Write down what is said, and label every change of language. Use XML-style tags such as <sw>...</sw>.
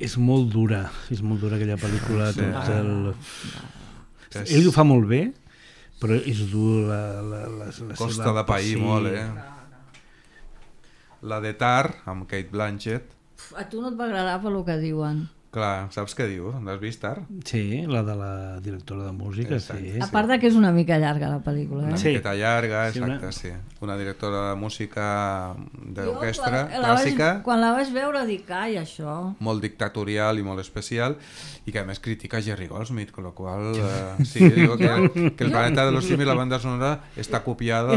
<ca>És molt dura aquella pel·lícula. Sí. Tot el... Ell ho fa molt bé, però és dur la Costa seva... de Paí, sí. Molt, eh? No, no. La de Tar, amb Cate Blanchett. A tu no et va agradar pel que diuen. Clar, saps què diu? L'has vist, Tar? Sí, la de la directora de música. Sí. A part de que és una mica llarga la pel·lícula. Eh? Una miqueta llarga, exacte, sí. Una directora de música d'orquestra, clàssica. Quan la vaig veure dic, ai, això... Molt dictatorial i molt especial, i que a més critica Jerry Goldsmith,</ca> <es>con lo cual... sí, digo que el planeta de los simis, la banda sonora,</es> <ca>està copiada...</ca>